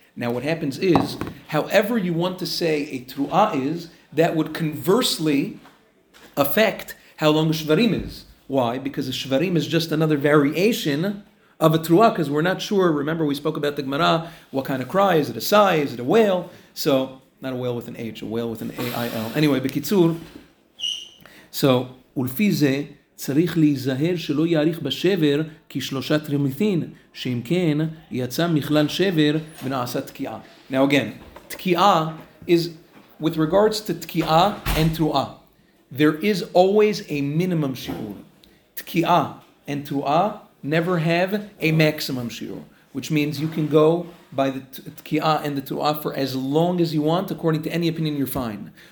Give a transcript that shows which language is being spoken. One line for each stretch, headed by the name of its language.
English: Now what happens is, however you want to say a tru'ah is, that would conversely affect how long a shvarim is. Why? Because a shvarim is just another variation of a tru'ah, because we're not sure. Remember we spoke about the Gemara, what kind of cry? Is it a sigh? Is it a wail? So, not a whale with an H, a whale with an A-I-L. Anyway, bekitzur. So, ulfize.
Hebrew: צריך להיזהר שלא יאריך בשבר כשלושה תרמיתין, שאם כן, יצא מכלל שבר ונעשה תקיעה.
English: Now again, תקיעה is, with regards to תקיעה and תרועה, there is always a minimum שיעור. תקיעה and תרועה never have a maximum שיעור, which means you can go by the תקיעה and the תרועה for as long as you want, according to any opinion you're fine.